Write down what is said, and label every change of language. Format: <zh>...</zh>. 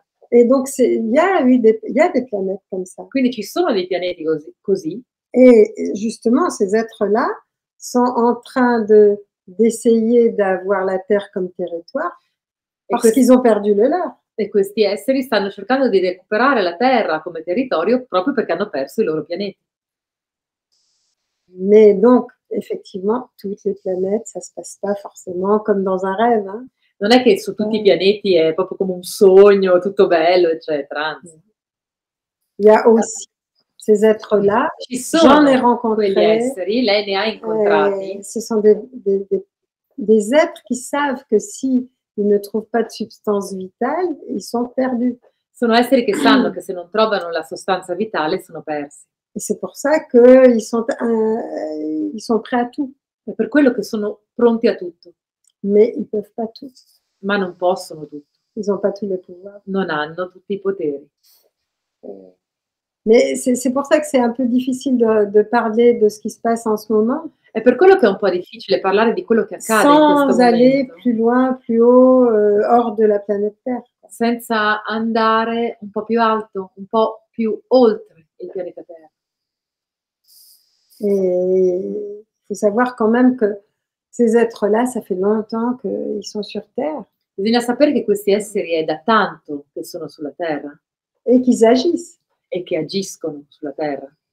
<fr>Et donc il y a des planètes comme ça.</fr> <it>Quindi ci sono dei pianeti così.</it> <fr>Et justement ces êtres-là sont en train de d'essayer d'avoir la Terre comme territoire parce qu'ils ont perdu le leur.</fr> <it>E questi esseri stanno cercando di recuperare la Terra come territorio proprio perché hanno perso il loro pianeta.</it> <fr>Mais donc, effectivement, toutes les planètes, ça se passe pas forcément comme dans un rêve. Hein?</fr> <it>Non è che su tutti i pianeti è proprio come un sogno, tutto bello, eccetera.</it> <fr>Il y a aussi ces êtres-là.</fr> <it>Ci sono</it> <fr>j'en ai rencontré.</fr> <it>Quegli esseri, lei ne ha incontrati.</it> <fr>Ce sont des êtres qui savent que si ils ne trouvent pas de substance vitale, ils sont perdus.</fr> <it>Sono esseri che sanno che se non trovano la sostanza vitale sono persi.</it> <fr>Et c'est pour ça qu'ils sont ils sont prêts à tout.</fr> <it>È per quello che sono pronti a tutto.</it> <fr>Mais ils peuvent pas tout.</fr> <it>Ma non possono tutto.</it> <fr>Ils ont pas tous les pouvoirs.</fr> <it>Non hanno tutti i poteri.</it> <fr>Mais c'est pour ça que c'est un peu difficile de parler de ce qui se passe en ce moment.</fr> <it>È per quello che è un po' difficile parlare di quello che accade in questo momento.</it> <fr>Sans aller plus loin, plus haut, hors de la planète Terre.</fr> <it>Senza andare un po' più alto, un po' più oltre il pianeta Terra.</it> <fr>Et faut savoir quand même que ces êtres-là, ça fait longtemps qu'ils sont sur Terre.</fr> <it>Bisogna sapere che questi esseri è da tanto che sono sulla Terra.</it> <fr>Et qu'ils agissent.</fr> <it>E che agiscono sulla Terra.</it>